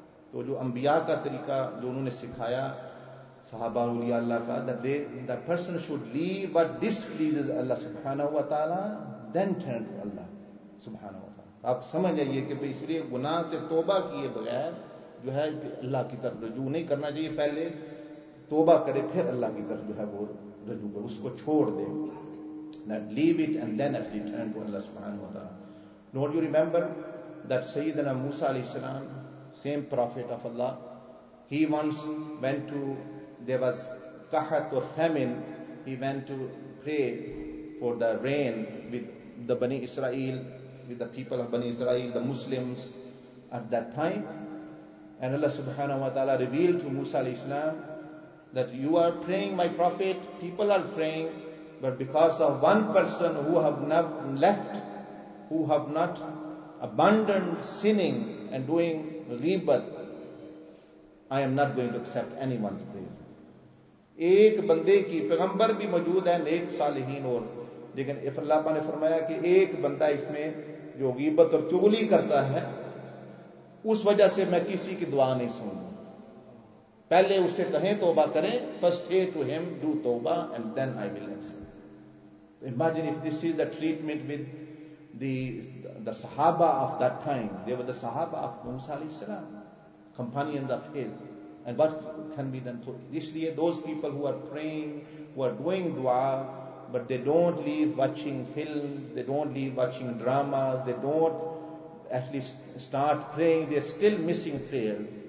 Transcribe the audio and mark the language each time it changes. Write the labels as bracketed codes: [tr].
[ur] تو جو انبیاء کا طریقہ جو انہوں نے سکھایا صحابہ اولیاء اللہ کا, [en] the person should leave what displeases Allah سبحانہ و تعالیٰ, then turn to [ur] اللہ سبحانہ و تعالیٰ. آپ سمجھ جائیے کہ اس لیے گناہ سے توبہ کیے بغیر جو ہے اللہ کی طرف رجوع نہیں کرنا چاہیے, پہلے توبہ کرے پھر اللہ کی طرف جو ہے وہ رجوع کرے, اس کو چھوڑ دے, [en] leave it and then actually turn to [ur] اللہ سبحانہ و تعالیٰ. [en] Don't you remember that Sayyidina Musa alayhi salam, same prophet of Allah, he once went to, there was qahat or famine, he went to pray for the rain with the Bani Israel, with the people of Bani Israel, the Muslims at that time. And Allah subhanahu wa ta'ala revealed to Musa alayhi salam that you are praying, my prophet, people are praying, but because of one person who have not left, who have not abundant sinning and doing ghibat, I am not going to accept anyone's prayer. [ur] ایک بندے کی پیغمبر بھی موجود ہے نیک صالحین اور, لیکن اللہ نے فرمایا کہ ایک بندہ اس میں جو غیبت اور چغلی کرتا ہے اس وجہ سے میں کسی کی دعا نہیں سنوں گا. پہلے اس سے کہیں توبہ کریں, [en] imagine if this is the treatment with the sahaba of that time. They were the sahaba of Musa علیہ السلام, companions of his. And what can be done? So, isliye those people who are praying, who are doing dua, but they don't leave watching films, they don't leave watching drama, they don't at least start praying, they're still missing prayer.